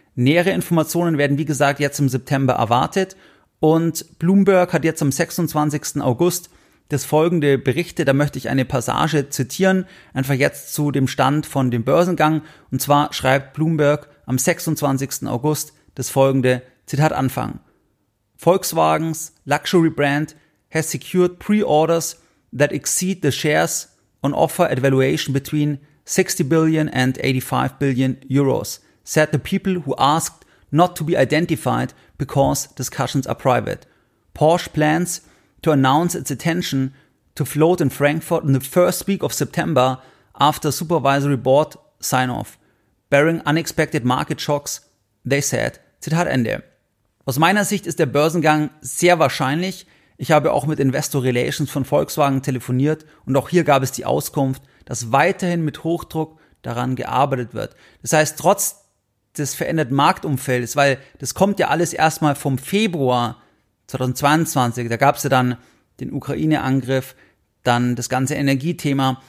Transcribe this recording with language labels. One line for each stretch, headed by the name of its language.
German: Nähere Informationen werden, wie gesagt, jetzt im September erwartet, und Bloomberg hat jetzt am 26. August das folgende berichtet. Da möchte ich eine Passage zitieren, einfach jetzt zu dem Stand von dem Börsengang. Und zwar schreibt Bloomberg am 26. August das folgende, Zitat Anfang:
English: Volkswagens Luxury Brand has secured pre-orders that exceed the shares on offer at valuation between 60 billion and 85 billion euros, said the people who asked not to be identified because discussions are private. Porsche plans to announce its intention to float in Frankfurt in the first week of September after supervisory board sign-off, bearing unexpected market shocks, they said.
German: Zitat Ende. Aus meiner Sicht ist der Börsengang sehr wahrscheinlich. Ich habe auch mit Investor Relations von Volkswagen telefoniert, und auch hier gab es die Auskunft, dass weiterhin mit Hochdruck daran gearbeitet wird. Das heißt, trotz des veränderten Marktumfeldes, weil das kommt ja alles erstmal vom Februar 2022, da gab es ja dann den Ukraine-Angriff, dann das ganze Energiethema.